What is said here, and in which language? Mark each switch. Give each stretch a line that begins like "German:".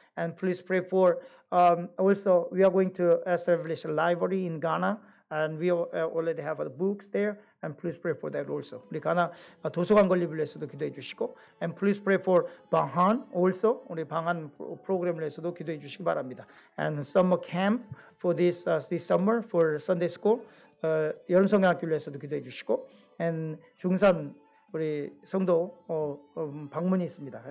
English: And please pray for also we are going to establish a library in Ghana. And we already have the books there. And please pray for that also.
Korean: 우리 가나 도서관 건립을 위해서도 기도해 주시고
English: And please pray for Bahan also.
Korean: 우리 방한 프로그램을 위해서도 기도해 주시기 바랍니다.
English: And summer camp for this summer for Sunday school.
Korean: 여름 성경학교를 위해서도 기도해 주시고 And 중산 우리 성도 방문이 있습니다.